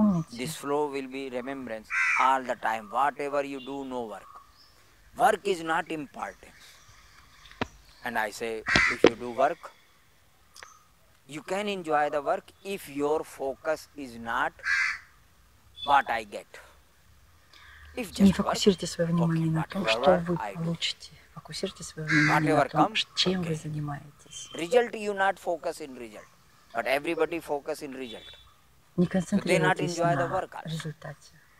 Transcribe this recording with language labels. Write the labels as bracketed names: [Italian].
[English] This flow will be remembrance all the time. Whatever you do, no work. Work is not important. And I say, if you do work, you can enjoy the work if your focus is not what I get. If just [Russian] не фокусируйте свое внимание на том, что вы получите. Фокусируйте свое внимание на том, чем вы занимаетесь. [English] Result you not focus in result, but everybody focus in result. [Russian] Не концентрируйтесь на результате.